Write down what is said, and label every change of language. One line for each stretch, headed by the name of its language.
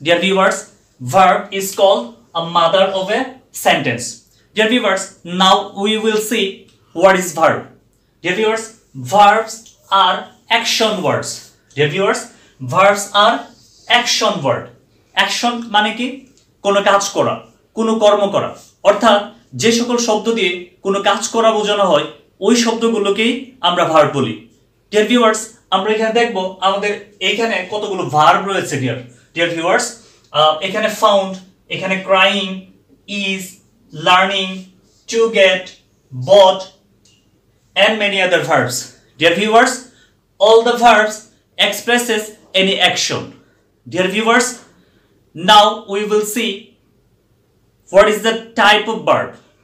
English: Dear viewers, verb is called a mother of a sentence. Dear viewers, now we will see what is verb. Dear viewers, verbs are action words. Dear viewers, verbs are action word.
Bangla: Action মানে কি? কোনো কাজ করা, কোনো কর্ম করা। অর্থাৎ যে সকল শব্দ দিয়ে কোনো কাজ করা বোঝানো হয়, ওই শব্দগুলোকেই আমরা verb বলি। Dear viewers, আমরা এখানে দেখব আমাদের এখানে কতগুলো verb রয়েছে dear. Dear viewers, এখানে found, এখানে crying, is, learning, to get, bought, and many other verbs.
English: Dear viewers, all the verbs expresses any action. Dear viewers, now we will see what is the type of verb.